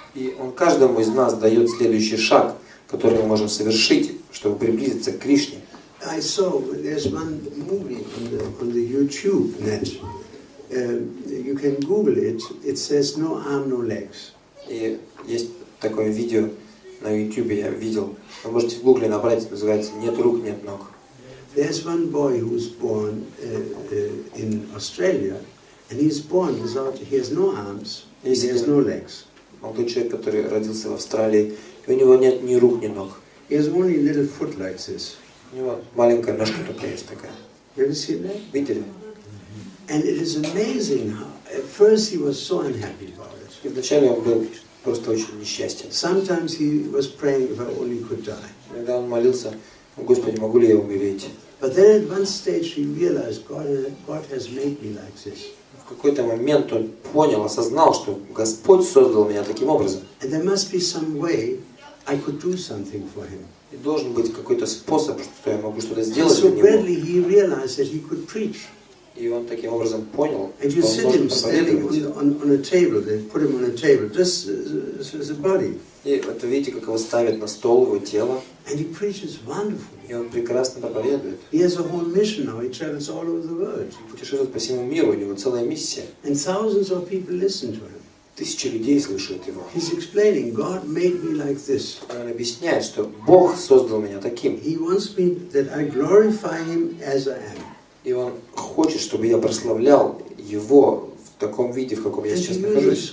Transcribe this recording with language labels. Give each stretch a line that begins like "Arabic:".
Russian: И он каждому из нас дает следующий шаг, который мы можем совершить, чтобы приблизиться к Кришне.
English: I saw there's one movie on the YouTube net. You can Google it. It says no arm, no legs.
Russian: И есть такое видео на YouTube, я видел. Вы можете в Google набрать, называется «Нет рук, нет ног».
English: There's one boy who was born in Australia, and he's born without. He has no arms. He has no legs.
Russian: Молодой человек, который родился в Австралии, и у него нет ни рук, ни ног.
English: He has only a little foot like this.
Russian: У него маленькая ножка только есть такая.
English: You see that?
Russian: Видели?
English: And it is amazing how at first he was so unhappy about it.
Russian: Вначале он был просто очень несчастен.
English: Sometimes he was praying, if I only could die.
Russian: Иногда он молился, Господи, могу ли я умереть?
English: But then at one stage he realized God has made me like this.
Russian: В какой-то момент он понял, осознал, что Господь создал меня таким образом.
English: And there must be some way I could do something for him.
Russian: И должен быть какой-то способ, что я могу что-то сделать для него.
English: So badly he realized that he could preach.
Russian: И он таким образом понял,
English: and you sit him standing on a table, they put him on a table, just as a body.
Russian: И вот видите, как его ставят на стол, его тело.
English: And he preaches wonderfully.
Russian: И он прекрасно проповедует.
English: He has a whole mission now, he travels all over the world.
Russian: Путешествует по всему миру, у него целая миссия.
English: And thousands of people listen to him.
Russian: Тысячи людей слушают его.
English: He's explaining, God made me like this.
Russian: Он объясняет, что Бог создал меня таким.
English: He wants me that I glorify him as I am.
Russian: И он хочет, чтобы я прославлял его в таком виде, в каком я сейчас нахожусь.